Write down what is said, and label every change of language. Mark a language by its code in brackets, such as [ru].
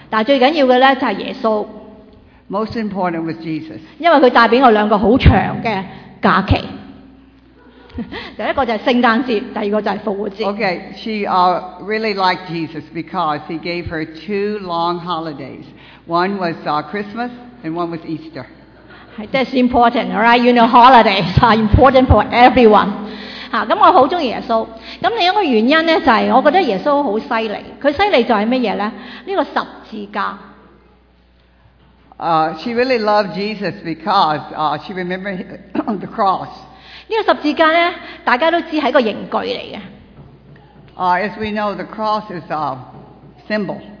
[yue] 但最緊要嘅咧就係耶穌。 [en] Most important was Jesus. [yue] 因為佢帶俾我兩個好長嘅假期。第一個就係聖誕節，第二個就係復活節。 [en] Okay, she really liked Jesus because he gave her two long holidays. One was Christmas and one was Easter. That's important, right? You know, holidays are important for everyone. [yue] 咁我好鍾意耶穌。咁另一個原因呢，就係我覺得耶穌好犀利。佢犀利就係乜嘢呢？呢個十字架。 [en] She really loved Jesus because she remembered on the cross. [yue] 呢個十字架呢，大家都知係一個刑具嚟嘅。 [en] As we know, the cross is a symbol.